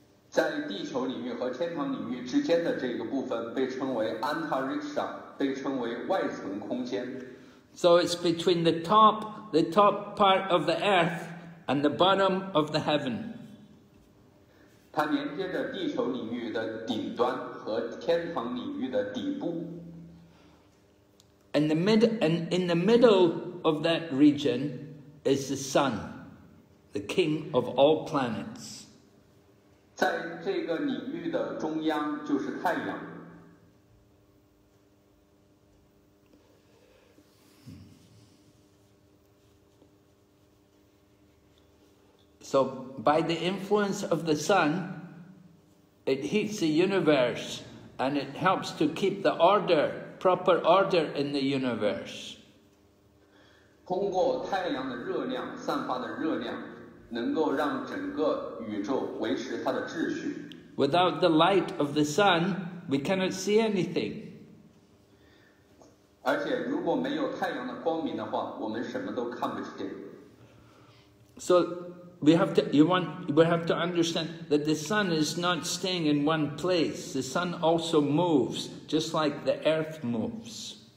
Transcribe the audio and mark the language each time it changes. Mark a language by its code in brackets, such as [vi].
[zh] 在地球领域和天堂领域之间的这个部分被称为Antariksha, 被称为外层空间。 [en] So it's between the top part of the earth and the bottom of the heaven. [zh] 它连接着地球领域的顶端和天堂领域的底部。 [en] In the middle of that region is the sun, the king of all planets. [zh] 在这个领域的中央就是太阳。 [en] So by the influence of the sun, it heats the universe and it helps to keep the order, proper order in the universe. [zh] 通过太阳的热量,散发的热量, 能够让整个宇宙维持它的秩序。 [en] Without the light of the sun, we cannot see anything. [zh] 而且如果没有太阳的光明的话, 我们什么都看不见。 [en] So, we have to understand that the sun is not staying in one place. The sun also moves, just like the earth moves.